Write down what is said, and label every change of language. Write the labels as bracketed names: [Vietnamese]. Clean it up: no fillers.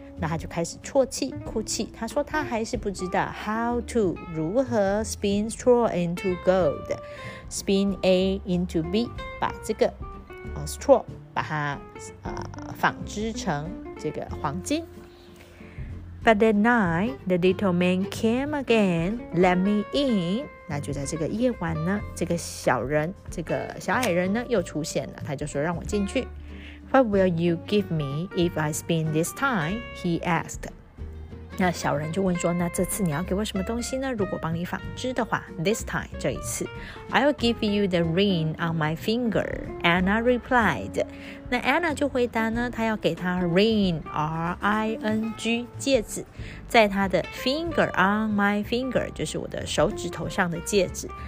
[Chinese] 那她就开始啜泣哭泣。她说她还是不知道 [English] how to [Chinese] 如何 spin straw into gold. [English] Spin A into B, [Chinese] 把这个straw把它纺织成这个黄金。 [English] But that night the little man came again, let me in. [Chinese] 那就在这个夜晚呢，这个小矮人呢又出现了，他就说让我进去。 [English] What will you give me if I spin this time? He asked. [Chinese] 那小人就问说，那这次你要给我什么东西呢？如果帮你纺织的话， [English] this time [Chinese] 这一次。 [English] I'll give you the ring on my finger, Anna replied. [Chinese] 那 Anna 就回答呢，她要给她 ring, R-I-N-G, 戒指，在她的 finger, [English] on my finger, [Chinese] 就是我的手指头上的戒指。